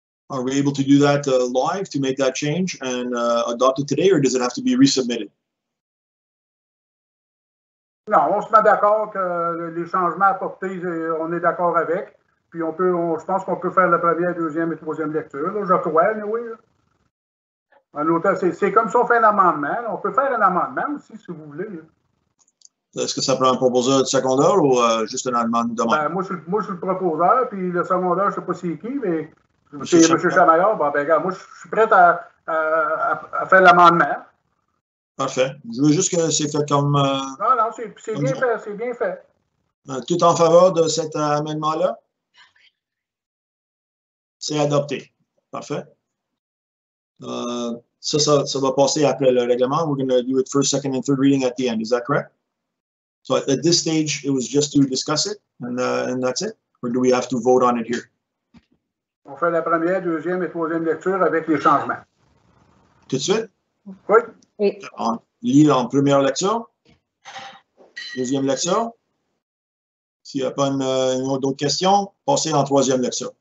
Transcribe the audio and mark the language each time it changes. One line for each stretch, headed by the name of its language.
English: Are we able to do that live to make that change and adopt it today, or does it have to be resubmitted?
French: Non, on se met d'accord que les changements apportés, on est d'accord avec. Puis on peut, je pense qu'on peut faire la première, deuxième et troisième lecture, là, je crois, mais oui. Un auteur, c'est comme si on fait un amendement. On peut faire un amendement aussi, si vous voulez. Est-ce que ça prend un proposeur de secondaire ou juste un amendement de demande? Ben, moi, je suis le proposeur, puis le secondaire, je ne sais pas c'est qui, mais c'est M. Chamaillard. Bon, ben, regarde, moi, je suis prêt à faire l'amendement. Parfait. Je veux juste que c'est fait comme... Non, c'est bien fait, c'est bien fait. Tout en faveur de cet amendement-là? C'est adopté. Parfait. Ça va passer après le règlement.
English: We're going to do it first, second, and third reading at the end. Is that correct? So at this stage, it was just to discuss it, and that's it? Or do we have to vote on it here?
French: On fait la première, deuxième et troisième lecture avec les changements. Tout de suite? Oui. Oui. On lit en première lecture, deuxième lecture. S'il n'y a pas une autre question, passez en troisième lecture.